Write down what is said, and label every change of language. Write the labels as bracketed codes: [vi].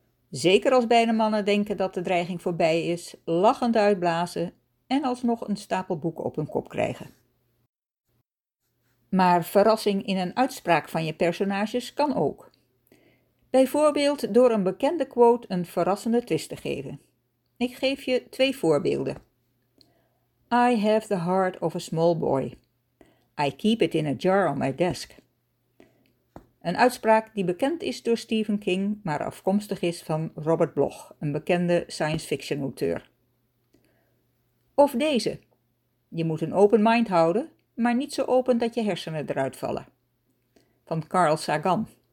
[nl] Zeker als beide mannen denken dat de dreiging voorbij is, lachend uitblazen en alsnog een stapel boeken op hun kop krijgen. Maar verrassing in een uitspraak van je personages kan ook. Bijvoorbeeld door een bekende quote een verrassende twist te geven. Ik geef je twee voorbeelden. [en] I have the heart of a small boy. I keep it in a jar on my desk. [nl] Een uitspraak die bekend is door Stephen King, maar afkomstig is van Robert Bloch, een bekende science fiction auteur. Of deze. Je moet een open mind houden, maar niet zo open dat je hersenen eruit vallen. Van Carl Sagan.